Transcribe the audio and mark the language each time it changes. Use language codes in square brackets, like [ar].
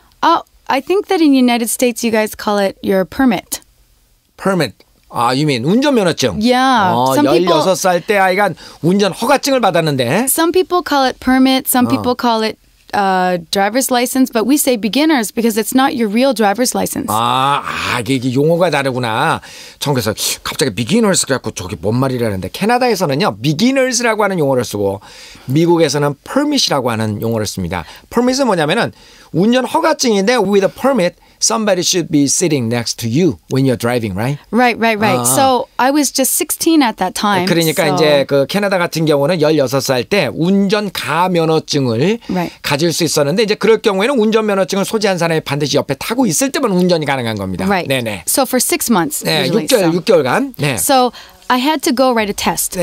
[en] Oh, I think that in United States you guys call it your permit. Permit. Ah, you mean 운전면허증. Yeah. [ko] 16살 때 아이가 운전 허가증을 받았는데. [en] Some people call it permit. Some people call it driver's license, but we say beginners because it's not your real driver's license. [ko] 이게 용어가 다르구나. 청께서 갑자기 beginners 그래갖고 저기 뭔 말이라는데 캐나다에서는요 beginners라고 하는 용어를 쓰고 미국에서는 permit이라고 하는 용어를 씁니다. Permit은 뭐냐면은 운전 허가증인데 [en] with a permit. Somebody should be sitting next to you when you're driving, right? Right, right, right. So I was just 16 at that time. [ko] 그러니까 [en] so. [ko] 이제 그 캐나다 같은 경우는 16살 때 운전 가 면허증을 right. 가질 수 있었는데 이제 그럴 경우에는 운전 면허증을 소지한 사람이 반드시 옆에 타고 있을 때만 운전이 가능한 겁니다. [en] Right. 네네. So for 6 months. [ko] 네, 6개월간. 네. [en] So I had to go write a test.